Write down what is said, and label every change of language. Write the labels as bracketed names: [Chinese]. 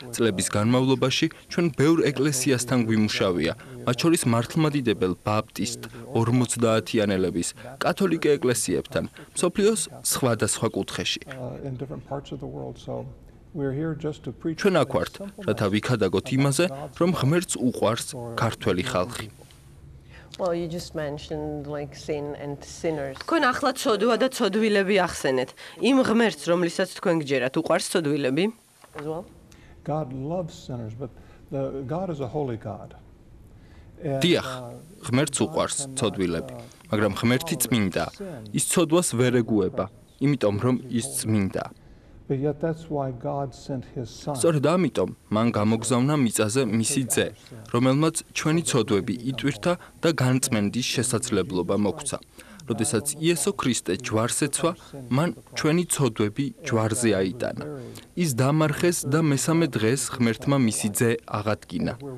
[Georgian] წლების განმავლობაში ჩვენ ბევრ ეკლესიასთან გვიმუშავია, მათ შორის მართლმადიდებელ ბაპტისტ, 50-ანელების, კათოლიკე ეკლესიებთან, მსოფლიოს სხვადასხვა კუთხეში. ჩვენ აქ ვართ, რათა ვიქადაგოთ იმაზე, რომ ღმერთს უყვარს ქართველი ხალხი. [English] Well, you just mentioned like sin and sinners. [Georgian] თქვენ ახლა ცოდვა და ცოდვილები ახსენეთ. იმ ღმერთს, რომელსაც თქვენ გჯერათ, უყვარს ცოდვილები? [English] God loves sinners, but the God is a holy God. [Georgian] დიახ, ღმერთს უყვარს ცოდვილები, მაგრამ ღმერთი წმინდა. ის ცოდვას ვერ ეგუება, იმიტომ რომ ის წმინდა. [English] But yet that's why God sent his son. [Georgian] სწორედ ამიტომ მან გამოგზავნა მიწაზე მისი ძე, რომელმაც ჩვენი ცოდვები იტვირთა და განწმენდის შესაძლებლობა მოგცა. როდესაც იესო ქრისტე ჯვარზე ცვა, მან ჩვენი ცოდვები ჯვარზე აიტანა. ის დამარხეს და მესამე დღეს ღმერთმა მისი ძე აღადგინა.